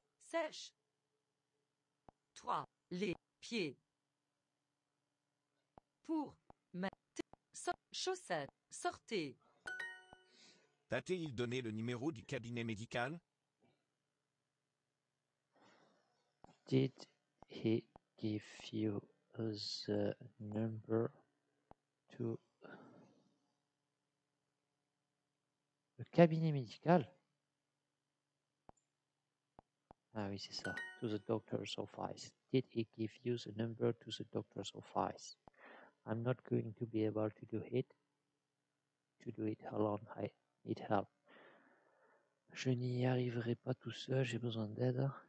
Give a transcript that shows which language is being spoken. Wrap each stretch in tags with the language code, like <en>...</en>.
<fr>Sèche-toi les pieds pour mettre tes chaussettes. Sortez. T'a-t-il donné le numéro du cabinet médical?</fr> <en>Did he give you the number to</en> <fr>le cabinet médical? Ah oui, c'est ça.</fr> <en>To the doctor's office. Did he give you the number to the doctor's office? I'm not going to be able to do it. To do it alone, I need help.</en> <fr>Je n'y arriverai pas tout seul, j'ai besoin d'aide.</fr>